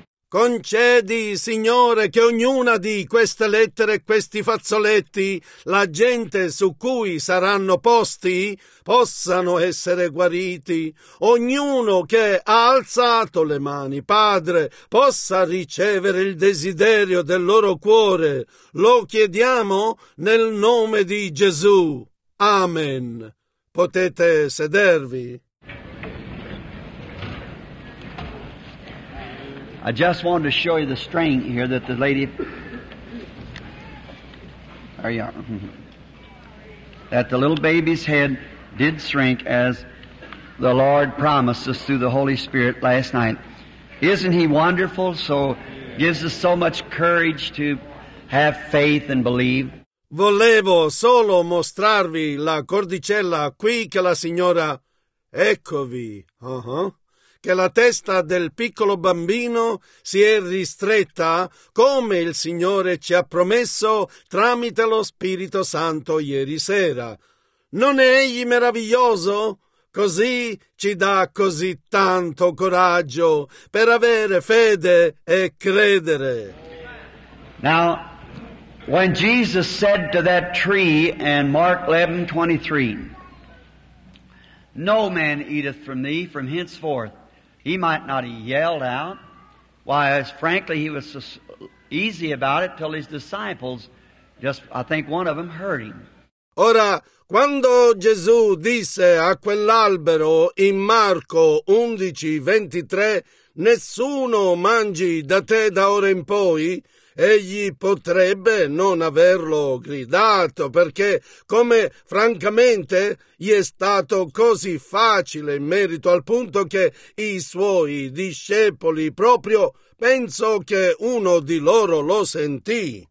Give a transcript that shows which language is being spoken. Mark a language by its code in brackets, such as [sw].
[it] Concedi, Signore, che ognuna di queste lettere e questi fazzoletti, la gente su cui saranno posti, possano essere guariti. Ognuno che ha alzato le mani, Padre, possa ricevere il desiderio del loro cuore. Lo chiediamo nel nome di Gesù. Amen. Potete sedervi. [en] I just wanted to show you the string here that the lady, there you are, that the little baby's head did shrink as the Lord promised us through the Holy Spirit last night. Isn't he wonderful? So gives us so much courage to have faith and believe. [it] Volevo solo mostrarvi la cordicella qui che la signora, eccovi, che la testa del piccolo bambino si è ristretta come il Signore ci ha promesso tramite lo Spirito Santo ieri sera. Non è egli meraviglioso? Così ci dà così tanto coraggio per avere fede e credere. [en] Now, when Jesus said to that tree in Mark 11:23, no man eateth from thee from henceforth, he might not have yelled out. Why, as frankly, he was so easy about it till his disciples, just I think one of them heard him. [it] Ora, quando Gesù disse a quell'albero in Marco 11:23, nessuno mangi da te da ora in poi, egli potrebbe non averlo gridato, perché come francamente gli è stato così facile in merito al punto che i suoi discepoli proprio, penso che uno di loro lo sentì.